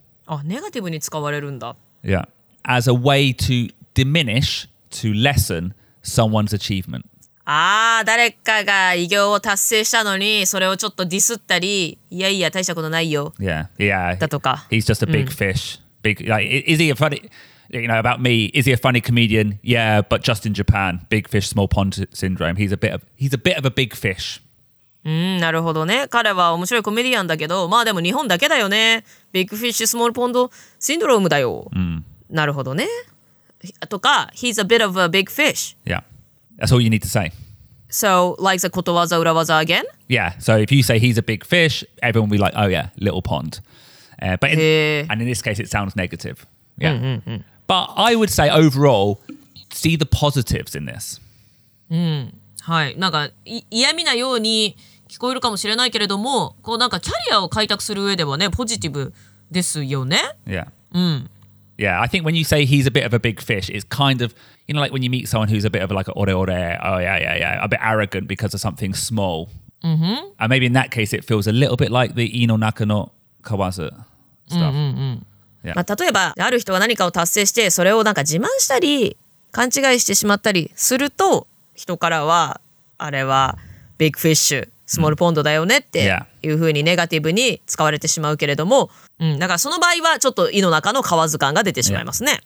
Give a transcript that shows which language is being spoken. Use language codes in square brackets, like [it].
[ja] あ、ネガティブに使われるんだ。 [en] Yeah. As a way to diminish, to lessen someone's achievement. [ja] ああ、誰かが偉業を達成したのに、それをちょっとディスったり、いやいや、大したことないよ。 [en] Yeah, yeah. [ja] だとか。 [en] He's just a big fish. Big, like, is he a funny, you know, about me, is he a funny comedian? Yeah, but just in Japan, big fish, small pond syndrome. He's a bit of a big fish. [ja] なるほどね。彼は面白いコメディアンだけど、まあでも日本だけだよね。ビッグフィッシュスモールポンドシンドロームだよ。なるほどね。とか、 [en] He's a bit of a big fish. Yeah. That's all you need to say. So, like the [ja] ことわざ裏技 [en] again? Yeah. So if you say he's a big fish, everyone will be like, oh yeah, little pond. And in this case, it sounds negative. Yeah. But I would say overall, see the positives in this. [ja] うん、はい、なんか嫌味なように聞こえるかもしれないけれども、こうなんかキャリアを開拓する上ではね、ポジティブですよね。 [en] Yeah、 [ja] うん、 [en] Yeah, I think when you say he's a bit of a big fish, it's kind of, you know, like when you meet someone who's a bit of like a [ja] ore ore, [en] oh yeah, yeah, yeah, a bit arrogant because of something small. Mm-hmm. And maybe in that case, it feels a little bit like the [ja] ii no naka no kawazu [en] stuff. Mm-hmm. [ja] Yeah. まあ、例えば、ある人が何かを達成して、それをなんか自慢したり、勘違いしてしまったりすると、人からは、あれは、big fish、スモールポンドだよねっていうふうにネガティブに使われてしまうけれども、 [en] yeah. [ja] うん、だからその場合はちょっと胃の中の皮図感が出てしまいますね。